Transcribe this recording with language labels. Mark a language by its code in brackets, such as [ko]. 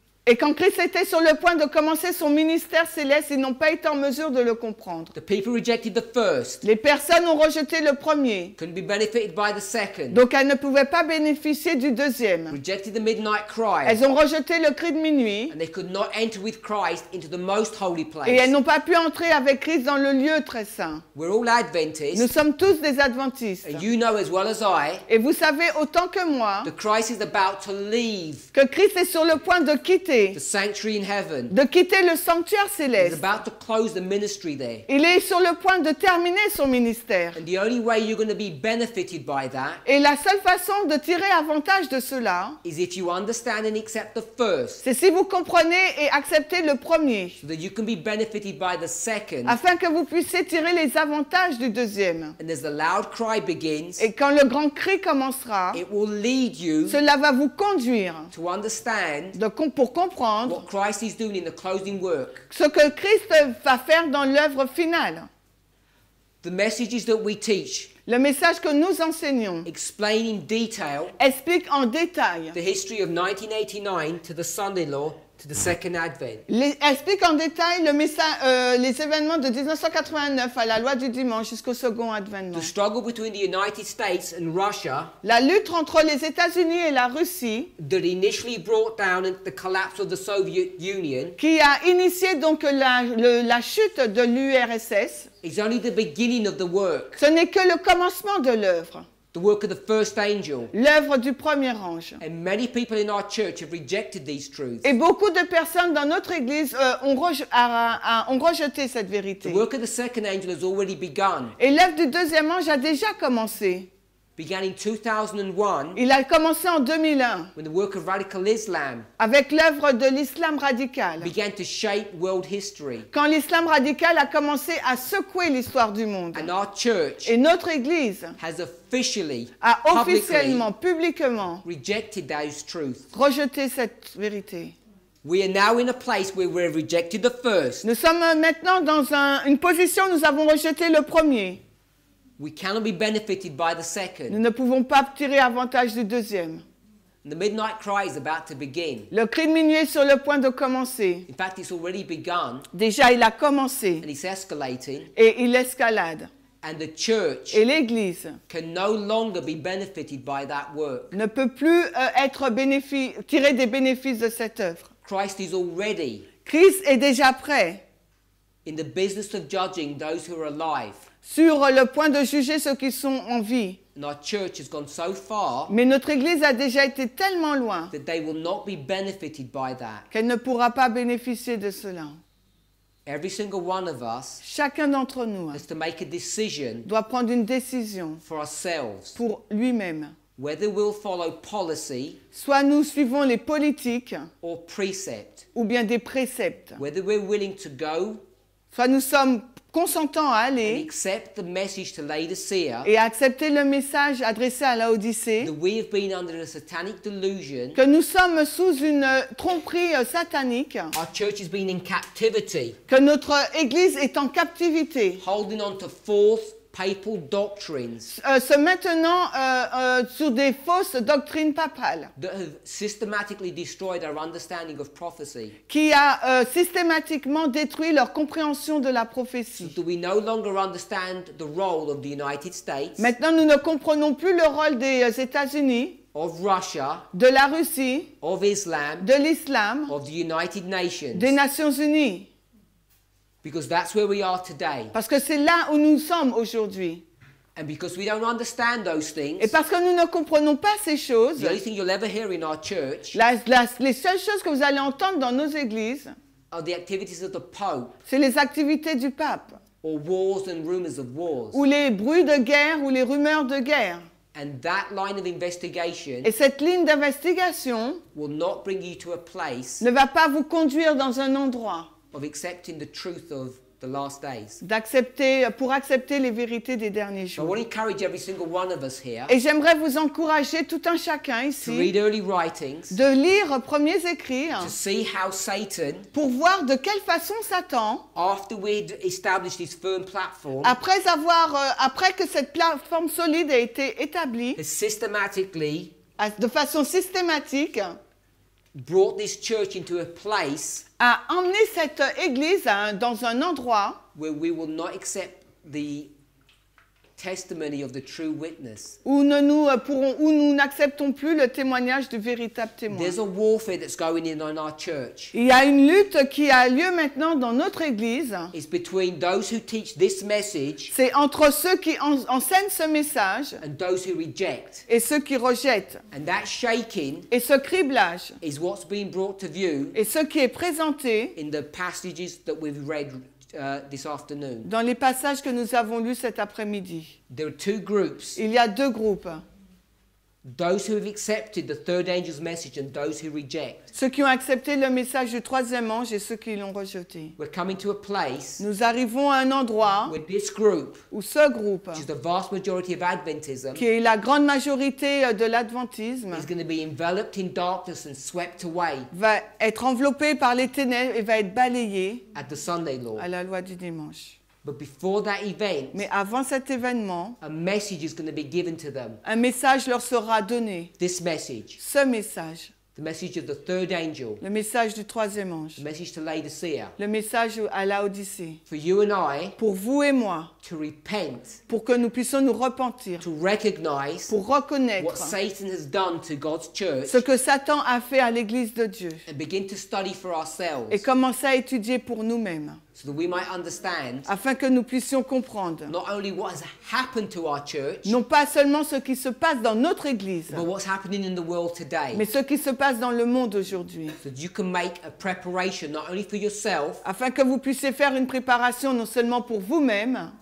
[fr] Et quand Christ était sur le point de commencer son ministère céleste, ils n'ont pas été en mesure de le comprendre. [en] The people rejected the first. [fr] Les personnes ont rejeté le premier. [en] Couldn't be benefited by the second. [fr] Donc elles ne pouvaient pas bénéficier du deuxième. [en] Rejected the midnight cry. [fr] Elles ont rejeté le cri de minuit. [en] And they could not enter with Christ into the most holy place. [fr] Et elles n'ont pas pu entrer avec Christ dans le lieu très saint. [en] We're all Adventists. [fr] Nous sommes tous des Adventistes. [en] And you know as well as I, [fr] et vous savez autant que moi, [en] that Christ is about to leave. [fr] Que Christ est sur le point de quitter. [en] The sanctuary in heaven. [fr] De quitter le sanctuaire céleste. [en] He's about to close the ministry there. [fr] Il est sur le point de terminer son ministère. [en] And the only way you're going to be benefited by that. [fr] Et la seule façon de tirer avantage de cela. [en] Is if you understand and accept the first. [fr] C'est si vous comprenez et acceptez le premier. [en] So that you can be benefited by the second. [fr] Afin que vous puissiez tirer les avantages du deuxième. [en] And as the loud cry begins. [fr] Et quand le grand cri commencera. [en] It will lead you. [fr] Cela va vous conduire. [en] To understand. [fr] De comprendre. Comprendre [en] what Christ is doing in the closing work. [fr] Ce que Christ va faire dans l'œuvre finale. [en] The messages that we teach. [fr] Le message que nous enseignons. [en] Explain in detail. [fr] Explique en détail. [en] The history of 1989 to the Sunday law to the second advent. [fr] Explique en détail le message, les événements de 1989 à la loi du dimanche jusqu'au second advent. [en] The struggle between the United States and Russia. [fr] La lutte entre les États-Unis et la Russie. [en] That initially brought down the collapse of the Soviet Union. [fr] Qui a initié donc la chute de l'URSS. [en] It's only the beginning of the work. [fr] Ce n'est que le commencement de l'œuvre. [en] The work of the first angel. [fr] L'œuvre du premier ange. [en] And many people in our church have rejected these truths. [fr] Et beaucoup de personnes dans notre église ont rejeté cette vérité. [en] The work of the second angel has already begun. [fr] Et l'œuvre du deuxième ange a déjà commencé. [en] Began in 2001. [fr] Il a commencé en 2001. [en] When the work of radical Islam. [fr] Avec l'œuvre de l'islam radical. [en] Began to shape world history. [fr] Quand l'islam radical a commencé à secouer l'histoire du monde. [en] And our church. [fr] Et notre église. [en] Has officially, [fr] a officiellement, publiquement. [en] Rejected those truths. [fr] Rejeté cette vérité. [en] We are now in a place where we have rejected the first. [fr] Nous sommes maintenant dans une position où nous avons rejeté le premier. [en] We cannot be benefited by the second. [fr] Nous ne pouvons pas tirer avantage du deuxième. [en] The midnight cry is about to begin. [fr] Le cri de minuit est sur le point de commencer. [en] In fact, it's already begun. [fr] Déjà, il a commencé. [en] And it's escalating. [fr] Et il escalade. [en] And the church [fr] et l'église [en] can no longer be benefited by that work. [fr] Ne peut plus être tirer des bénéfices de cette œuvre. [en] Christ is already. [fr] Christ est déjà prêt. [en] In the business of judging those who are alive. [fr] Sur le point de juger ceux qui sont en vie. [en] Our church has gone so far. [fr] Mais notre église a déjà été tellement loin. [en] That they will not be benefited by that. [fr] Qu'elle ne pourra pas bénéficier de cela. [en] Every single one of us. [fr] Chacun d'entre nous. [en] Has to make a decision. [fr] Doit prendre une décision. [en] For ourselves. [fr] Pour lui-même. [en] Whether we'll follow policy. [fr] Soit nous suivons les politiques. [en] Or precept. [fr] Ou bien des préceptes. [en] Whether we're willing to go. [fr] Soit nous sommes consentants à aller [en] and accept the message to Laodicea, [fr] et accepter le message adressé à Laodicée [en] that we have been under a satanic delusion, [fr] que nous sommes sous une tromperie satanique, [en] our church has been in captivity, [fr] que notre église est en captivité, [en] holding on to false papal doctrines, [fr] se maintenant sur des fausses doctrines papales [en] that have systematically destroyed our understanding of prophecy, [fr] qui a systématiquement détruit leur compréhension de la prophétie. [en] So that we no longer understand the role of the United States, [fr] maintenant nous ne comprenons plus le rôle des États-Unis, [en] of Russia, [fr] de la Russie, [en] of Islam, [fr] de l'islam, [en] of the United Nations, [fr] des Nations Unies. [en] Because that's where we are today. [fr] Parce que c'est là où nous sommes aujourd'hui. [en] And because we don't understand those things. [fr] Et parce que nous ne comprenons pas ces choses. [en] The only thing you'll ever hear in our church. [fr] Les seules choses que vous allez entendre dans nos églises. [en] Are the activities of the Pope. [fr] C'est les activités du Pape. [en] Or wars and rumors of wars. [fr] Ou les bruits de guerre ou les rumeurs de guerre. [en] And that line of investigation. [fr] Et cette ligne d'investigation. [en] Will not bring you to a place. [fr] Ne va pas vous conduire dans un endroit. [en] Of accepting the truth of the last days. [fr] Pour accepter les vérités des derniers jours. [en] I want to encourage every single one of us here. [fr] Et j'aimerais vous encourager tout un chacun ici. [en] To read early writings. [fr] De lire premiers écrits. [en] To see how Satan. [fr] Pour voir de quelle façon Satan. [en] After we'd established his firm platform. [fr] Après que cette plateforme solide a été établie. [en] Has systematically. [fr] De façon systématique. [en] Brought this church into a place. [fr] A emmené cette église dans un endroit [en] where we will not accept the testimony of the true witness. [fr] Où nous n'acceptons plus le témoignage du véritable témoin. [en] There's a warfare that's going in our church. [fr] Il y a une lutte qui a lieu maintenant dans notre église. [en] It's between those who teach this message. [fr] C'est entre ceux qui enseignent ce message. [en] And those who reject. [fr] Et ceux qui rejettent. [en] And that shaking. [fr] Et ce criblage. [en] Is what's being brought to view. [fr] Et ce qui est présenté. [en] In the passages that we've read. This afternoon. [fr] Dans les passages que nous avons lus cet après-midi. [en] There are two groups. [fr] Il y a deux groupes. [en] Those who have accepted the third angel's message and those who reject. [fr] Ceux qui ont accepté le message du troisième ange et ceux qui l'ont rejeté. [en] We're coming to a place. [fr] Nous arrivons à un endroit. [en] Where this group. [fr] Où ce groupe. [en] Which is the vast majority of Adventism. [fr] Qui est la grande majorité de l'adventisme. [en] Is going to be enveloped in darkness and swept away. [fr] Va être enveloppé par les ténèbres et va être balayé. [en] At the Sunday law. [fr] À la loi du dimanche. [en] But before that event, [fr] mais avant cet événement, [en] a message is going to be given to them. [fr] Un message leur sera donné. [en] This message. [fr] Ce message. [en] The message of the third angel. [fr] Le message du troisième ange. [en] The message to Laodicea. [fr] Le message à Laodicée. [en] For you and I. [fr] Pour vous et moi. [en] To repent. [fr] Pour que nous puissions nous repentir. [en] To recognize. [fr] Pour reconnaître. [en] What Satan has done to God's church. [fr] Ce que Satan a fait à l'église de Dieu. [en] And begin to study for ourselves. [fr] Et commencer à étudier pour nous-mêmes. [en] So that we might understand. [fr] Afin que nous puissions comprendre. [en] Not only what has happened to our church. [fr] Non pas seulement ce qui se passe dans notre église. [en] But what's happening in the world today. [fr] Mais ce qui se passe dans le monde aujourd'hui. [en] So that you can make a preparation not only for yourself. [fr] Afin que vous puissiez faire une préparation non seulement pour vous-même.